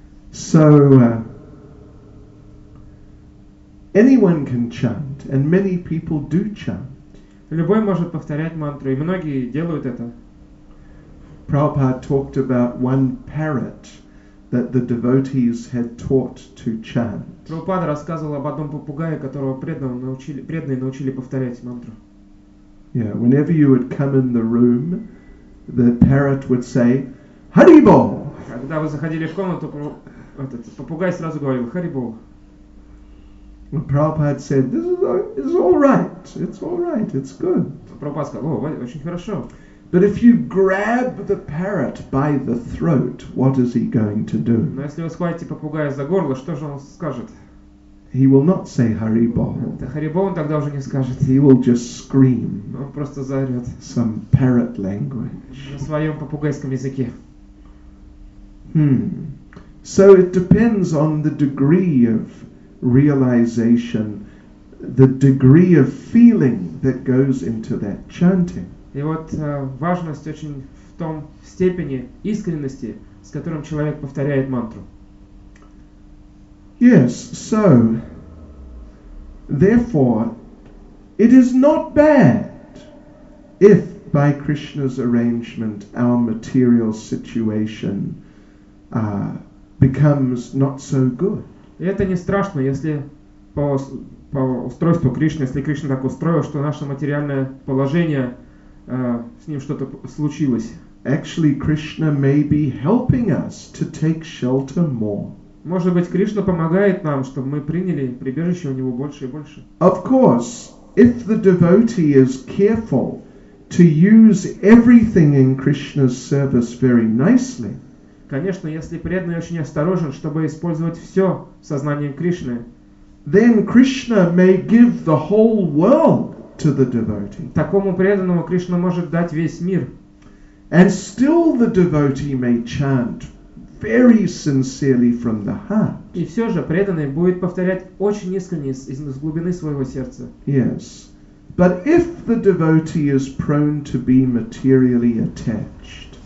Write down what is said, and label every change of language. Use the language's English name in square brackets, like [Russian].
[English] So, anyone can chant, and many people do chant. [Russian] Любой может повторять мантру, и многие делают это. [English] Prabhupada talked about one parrot that the devotees had taught to chant. [Russian] Прабхупада рассказывал об одном попугае, которого преданные научили повторять мантру. [English] Yeah, whenever you would come in the room, the parrot would say, Харибол! [Russian] Когда вы заходили в комнату, этот попугай сразу говорил, Харибол. [English] Prabhupada said, this is all right, it's all right, it's good. [Russian] Прабхупада сказал, о, очень хорошо. [English] But if you grab the parrot by the throat, what is he going to do? [Russian] Но если вы схватите попугая за горло, что же он скажет? [English] He will not say Hari Bol. [Russian] Да Hari Bol он тогда уже не скажет. [English] He will just scream. [Russian] Он просто заорет. [English] Some parrot language. [Russian] На своем попугайском языке. [English] So it depends on the degree of realization, the degree of feeling that goes into that chanting. [Russian] И вот важность очень в том степени искренности, с которым человек повторяет мантру. [English] Yes, so, therefore, it is not bad if by Krishna's arrangement our material situation becomes not so good. [Russian] И это не страшно, если по устройству Кришны, если Кришна так устроил, что наше материальное положение... с ним что-то случилось. [English] Actually, Krishna may be helping us to take shelter more. [Russian] Может быть, Кришна помогает нам, чтобы мы приняли прибежище у него больше и больше. [English] Of course, if the devotee is careful to use everything in Krishna's service very nicely. [Russian] Конечно, если преданный очень осторожен, чтобы использовать все сознанием Кришны. [English] Then Krishna may give the whole world. To the devotee. [Russian] Такому преданному Кришна может дать весь мир. [English] And still the devotee may chant very sincerely from the heart. [Russian] И все же преданный будет повторять очень искренне из глубины своего сердца. [English] Yes. But if the devotee is prone to be materially attached.